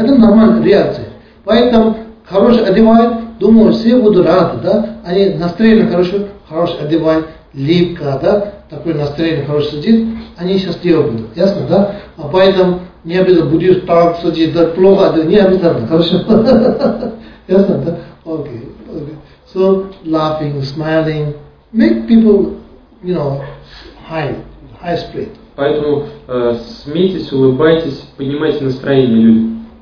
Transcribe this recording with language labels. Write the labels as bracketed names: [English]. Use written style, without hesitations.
[Russian] Это нормальная реакция. Поэтому хорошие одевают, думаю, все будут рады, да? Они настроение хорошее, хорошие одевают, липко, да? Такое настроение хорошее сидит, они счастливы будут. Ясно, да? А поэтому не обязательно будешь так сидеть, да, плохо, да, не обязательно, хорошо? Ясно, да? Окей, окей. [English] So, laughing, smiling, make people, you know, high spirit. [Russian] Поэтому смейтесь, улыбайтесь, поднимайте настроение людям.